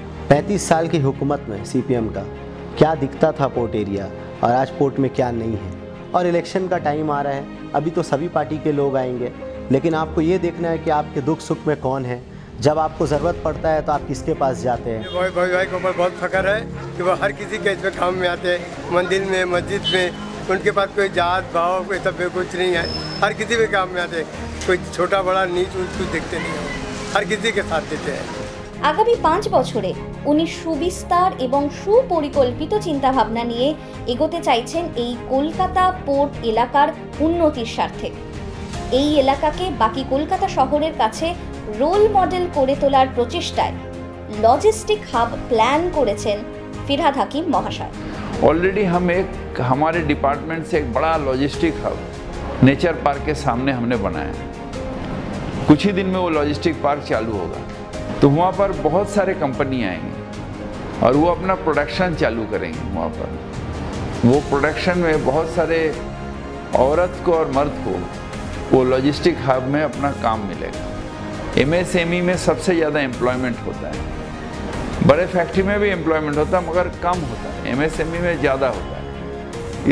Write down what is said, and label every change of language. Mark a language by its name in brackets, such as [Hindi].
[Hindi] 35 साल की हुकूमत में CPM का क्या दिखता था पोर्ट एरिया, और आज पोर्ट में क्या नहीं है, और इलेक्शन का टाइम आ रहा है, अभी तो सभी पार्टी के लोग आएंगे, लेकिन आपको ये देखना है कि आपके दुख सुख में कौन है, जब आपको ज़रूरत पड़ता है तो आप किसके पास जाते हैं। भाई भाई भाई को ऊपर बहुत फख्र है कि वह हर किसी के इसमें काम में आते हैं, मंदिर में, मस्जिद में, उनके पास कोई जात भाव कोई सब कुछ नहीं है, हर किसी के काम में आते हैं, कोई छोटा बड़ा नीच ऊंच कुछ देखते नहीं है, हर किसी के साथ देते हैं। [Bangla] আগামী 5 বছরে উনি সুবিস্তার এবং সুপরিকল্পিত চিন্তা ভাবনা নিয়ে এগোতে চাইছেন এই কলকাতা পোর্ট এলাকার উন্নতির স্বার্থে। এই এলাকাকে বাকি কলকাতা শহরের কাছে রোল মডেল করে তোলার প্রচেষ্টায় লজিস্টিক হাব প্ল্যান করেছেন ফিরহাদ হাকিম মহাশয়। অলরেডি আমাদের ডিপার্টমেন্ট থেকে বড় লজিস্টিক হাব নেচার পার্কের সামনে [Hindi] হমনে বানায়া, কুছ হি দিন মে ও লজিস্টিক পার্ক চালু হোগা, तो वहाँ पर बहुत सारे कंपनी आएंगे और वो अपना प्रोडक्शन चालू करेंगे वहाँ पर। वो प्रोडक्शन में बहुत सारे औरत को और मर्द को वो लॉजिस्टिक हब में अपना काम मिलेगा। MSME में सबसे ज़्यादा एम्प्लॉयमेंट होता है, बड़े फैक्ट्री में भी एम्प्लॉयमेंट होता है मगर कम होता है, MSME में ज़्यादा होता है।